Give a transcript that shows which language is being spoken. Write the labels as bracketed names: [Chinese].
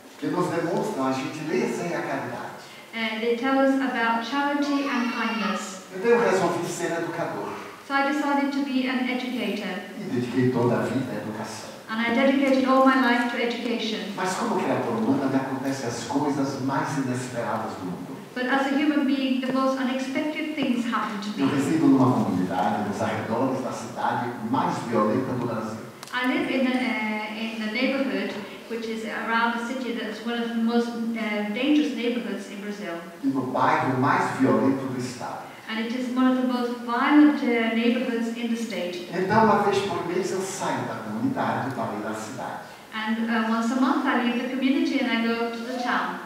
[Portuguese] Que nos demonstra a gentileza e a caridade. [English] And they tell us about charity and kindness. [Portuguese] Então eu resolvi ser educador. [English] So I decided to be an educator. [Portuguese] E dediquei toda a vida à educação. [English] And I dedicated all my life to education. [Portuguese] Mas como criatura humana me acontecem as coisas mais inesperadas do mundo. [English] But as a human being, the most unexpected things happen to me. [Portuguese] Eu resido numa comunidade nos arredores da cidade mais violenta do Brasil. [English] I live in the neighborhood, which is around the city that is one of the most dangerous neighborhoods in Brazil. [Portuguese] Em um bairro mais violento do estado. [English] And it is one of the most violent neighborhoods in the state. [Portuguese] Então, uma vez por mês, eu saio da comunidade para ir à cidade. [English] And once a month, I leave the community and I go to the town.